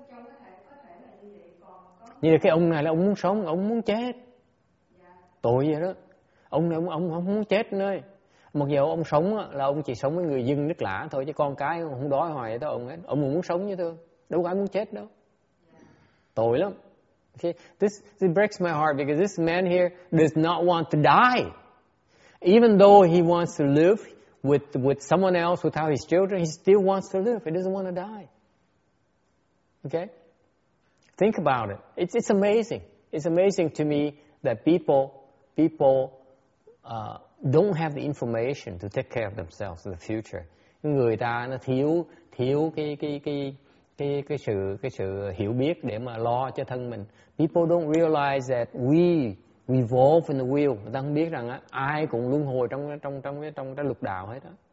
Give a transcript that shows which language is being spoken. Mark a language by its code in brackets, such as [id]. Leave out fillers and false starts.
[vi] Trong có thể là như vậy, còn có... Như là cái ông này là ông muốn sống, ông muốn chết. [en] Yeah. [vi] Tội vậy đó. Ông này ông không muốn chết nơi. Mặc dù ông sống là ông chỉ sống với người dân nước lã thôi, chứ con cái không đói hoài vậy đó ông ấy. Ông muốn sống như thế, đâu có ai muốn chết đâu. Tội lắm. Okay. [en] This breaks my heart because this man here does not want to die. Even though he wants to live with someone else without his children, he still wants to live. He doesn't want to die. Okay? Think about it. It's amazing. It's amazing to me that people don't have the information to take care of themselves in the future. [vi] Người ta nó thiếu cái sự hiểu biết để mà lo cho thân mình. [en] People don't realize that we revolve in the wheel. [vi] Người ta không biết rằng á, ai cũng luân hồi trong cái lục đạo hết đó.